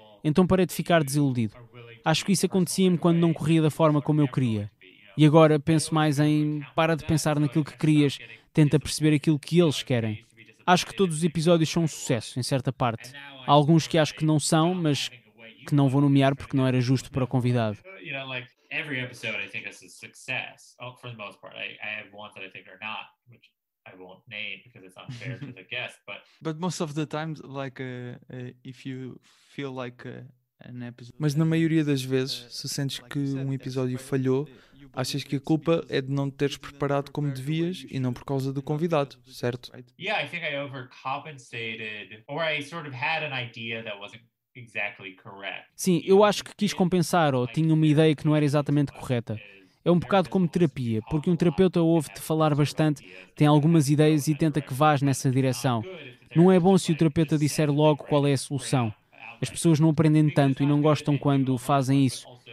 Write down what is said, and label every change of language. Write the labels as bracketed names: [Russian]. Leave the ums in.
[Portuguese] Então parei de ficar desiludido. Acho que isso acontecia-me quando não corria da forma como eu queria. E agora penso mais em para de pensar naquilo que querias, tenta perceber aquilo que eles querem. Acho que todos os episódios são um sucesso, em certa parte. Há alguns que acho que não são, mas que não vou nomear porque não era justo para o convidado. [English] you know, like every episode I think is a success oh, for the most part. I, I have ones that I think are not, which I won't name because it's unfair to the guest, but But most of the times, like uh, uh, if you feel like uh, an episode. [Portuguese] Mas na maioria das vezes, se sentes que um episódio falhou, achas que a culpa é de não te teres preparado como devias e não por causa do convidado, certo? [English] yeah, I think I overcompensated or I sort of had an idea that wasn't exactly correct. [Portuguese] Sim, eu acho que quis compensar ou tinha uma ideia que não era exatamente correta. É um bocado como terapia, porque um terapeuta ouve-te falar bastante, tem algumas ideias e tenta que vás nessa direção. Não é bom se o terapeuta disser logo qual é a solução. As pessoas não aprendem tanto e não gostam quando fazem isso.